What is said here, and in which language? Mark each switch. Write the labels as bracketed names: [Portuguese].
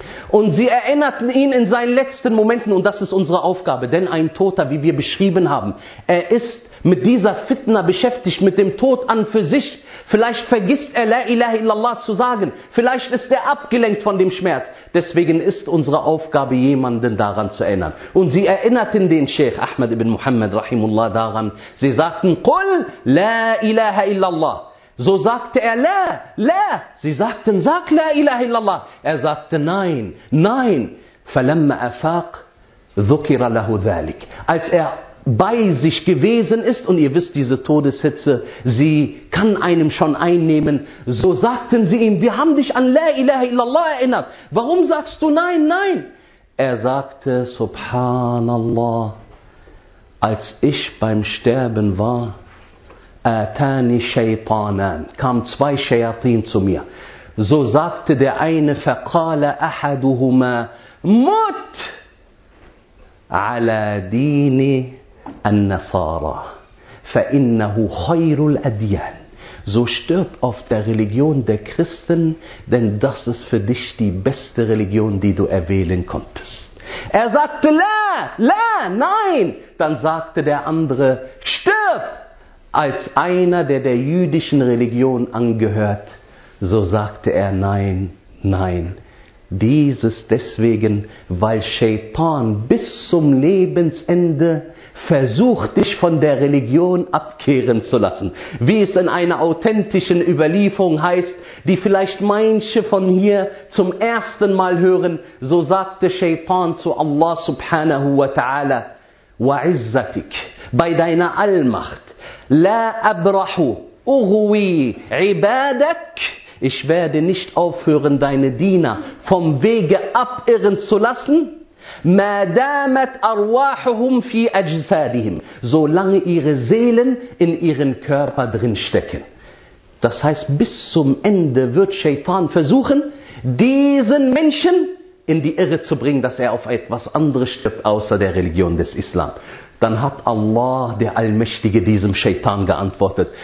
[German] Und sie erinnerten ihn in seinen letzten Momenten, und das ist unsere Aufgabe, denn ein Toter, wie wir beschrieben haben, er ist mit dieser Fitna beschäftigt, mit dem Tod an für sich. Vielleicht vergisst er, la ilaha illallah zu sagen. Vielleicht ist er abgelenkt von dem Schmerz. Deswegen ist unsere Aufgabe, jemanden daran zu erinnern. Und sie erinnerten den Sheikh Ahmad ibn Muhammad, rahimullah, daran. Sie sagten, [Arabic] قل لا إله إلا الله. [German] So sagte er, la, la. Sie sagten, sag la ilaha illallah. Er sagte, nein, nein. [Arabic] فَلَمَّ أَفَاق ذُكِرَ لَهُ ذَلِك. [German] Als er bei sich gewesen ist, und ihr wisst, diese Todeshitze, sie kann einem schon einnehmen, so sagten sie ihm, wir haben dich an la ilaha illallah erinnert. Warum sagst du nein, nein? Er sagte, subhanallah, als ich beim Sterben war, [Arabic] Atani Shaytanan, [German] kam zwei Shayatin zu mir. So sagte der eine, [Arabic] فَقَالَ أَحَدُهُمَا مُتْ عَلَى دِينِ النَّصَارَى فَإِنَّهُ خَيْرُ الْأَدْيَانِ. [German] So stirb auf der Religion der Christen, denn das ist für dich die beste Religion, die du erwählen konntest. Er sagte, لا, لا, nein. Dann sagte der andere, stirb! Als einer, der der jüdischen Religion angehört, so sagte er, nein, nein. Dieses deswegen, weil Shaitan bis zum Lebensende versucht, dich von der Religion abkehren zu lassen. Wie es in einer authentischen Überlieferung heißt, die vielleicht manche von hier zum ersten Mal hören, so sagte Shaitan zu Allah subhanahu wa ta'ala, وعزتك, bei deiner Allmacht, [Arabic] لا أبرح أغوي عبادك. [German] Ich werde nicht aufhören, deine Diener vom Wege abirren zu lassen. [Arabic] ما دامت أرواحهم في أجسادهم. [German] Solange ihre Seelen in ihren Körper drin stecken. Das heißt, bis zum Ende wird Shaitan versuchen, diesen Menschen in die Irre zu bringen, dass er auf etwas anderes stirbt, außer der Religion des Islam. dann hat Allah, der Allmächtige, diesem Shaitan geantwortet.